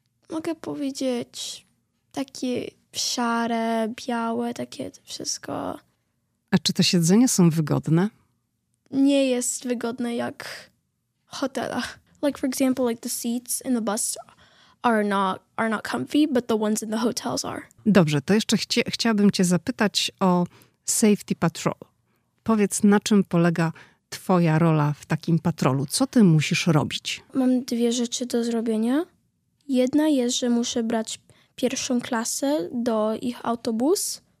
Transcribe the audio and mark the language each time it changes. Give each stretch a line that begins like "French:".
Polish: Mogę powiedzieć, takie szare, białe, takie wszystko. A czy te siedzenia są wygodne? Nie jest wygodne jak w hotelach.
English: Like for example, like the seats in the bus are not comfy, but the ones in the hotels are.
Polish: Dobrze, to jeszcze chciałabym cię zapytać o safety patrol. Powiedz, na czym polega twoja rola w takim patrolu? Co ty musisz robić? Mam dwie rzeczy do zrobienia. Jedna jest, że muszę brać pierwszą klasę do ich autobus.